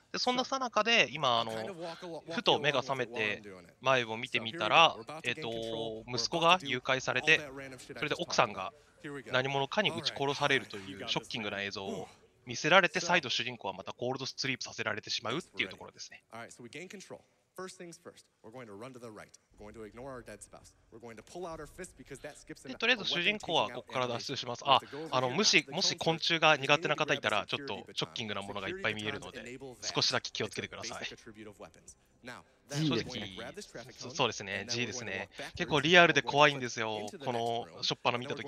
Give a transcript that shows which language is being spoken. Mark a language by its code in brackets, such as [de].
[ja] で、そんな最中で今ふと目が覚めて前を見てみたら、息子が誘拐されて、それで奥さんが何者かに撃ち殺されるというショッキングな映像を見せられて、再度主人公はまたコールドスリープさせられてしまうっていうところですね。 [en] First things first, we're going to run to the right. We're going to ignore our dead spouse. We're going to pull out our fist because that skips the. [ja] とりあえず主人公はここから脱出します。あ、あの、もし昆虫が苦手な方いたら、ちょっとショッキングなものがいっぱい見えるので、少しだけ気をつけてください。正直、そうですね、G ですね。結構リアルで怖いんですよ、このショッパーの見たとき。